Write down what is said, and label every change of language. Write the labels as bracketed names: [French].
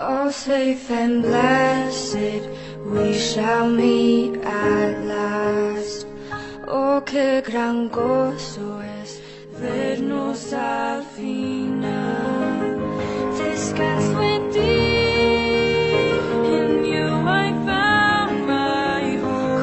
[English] Safe and blessed, we shall meet at last. [Spanish] Oh, qué gran gozo es vernos al final. [English] Discuss with thee, in you I found my hope.